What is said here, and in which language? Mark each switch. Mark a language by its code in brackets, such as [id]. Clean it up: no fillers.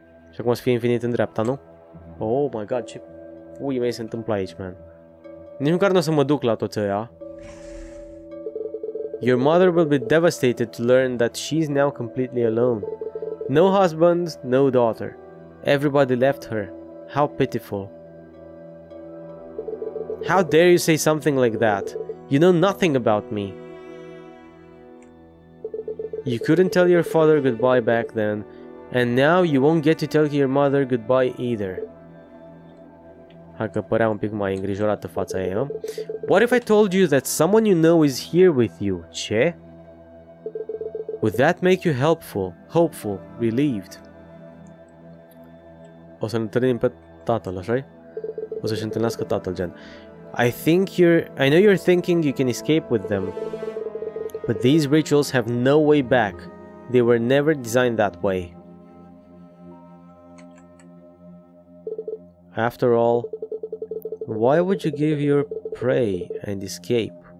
[ro] Și acum o să fie infinit în dreapta, nu? [en] Oh my god, [ro] ce pui mei se întâmplă aici, man. Nici măcar nu o să mă duc la toți ăia. [en] Your mother will be devastated to learn that she's now completely alone. No husband, no daughter. Everybody left her. How pitiful. How dare you say something like that? You know nothing about me. You couldn't tell your father goodbye back then, and now you won't get to tell your mother goodbye either. [ro] Ha, că părea un pic mai îngrijorată fața ei, nu? [en] What if I told you that someone you know is here with you? [ro] Ce? [en] Would that make you helpful, hopeful, relieved? [ro] O să-l întâlnim pe tatăl, așa-i? O să-și întâlnească tatăl, gen. [en] I know you're thinking you can escape with them. But these rituals have no way back. They were never designed that way. After all, why would you give your prey and escape?